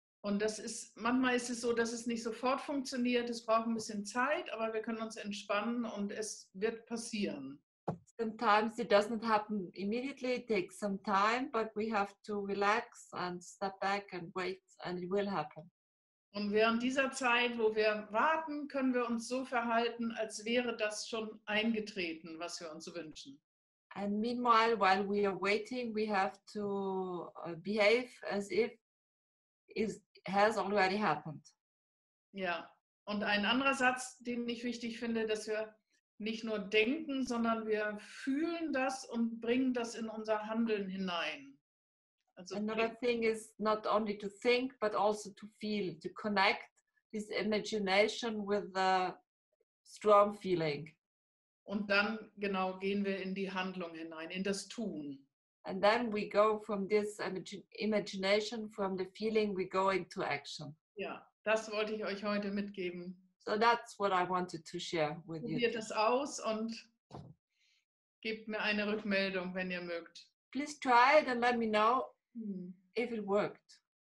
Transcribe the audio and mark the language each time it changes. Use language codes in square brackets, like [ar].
[de] Und das ist, manchmal ist es so, dass es nicht sofort funktioniert. Es braucht ein bisschen Zeit, aber wir können uns entspannen und es wird passieren. [en] Sometimes it doesn't happen immediately. It takes some time, but we have to relax and step back and wait and it will happen. [de] Und während dieser Zeit, wo wir warten, können wir uns so verhalten, als wäre das schon eingetreten, was wir uns wünschen. [en] And meanwhile, while we are waiting, we have to behave as if it has already happened. [de] Ja, und ein anderer Satz, den ich wichtig finde, dass wir nicht nur denken, sondern wir fühlen das und bringen das in unser Handeln hinein. [en] Also another thing is not only to think, but also to feel, to connect this imagination with the strong feeling. [de] Und dann, genau, gehen wir in die Handlung hinein, in das Tun. [en] And then we go from this imagination, from the feeling, we go into action. [de] Ja, das wollte ich euch heute mitgeben. [en] So that's what I wanted to share with you. [de] Probiert es aus und gebt mir eine Rückmeldung, wenn ihr mögt. [en] Please try it and let me know if it worked.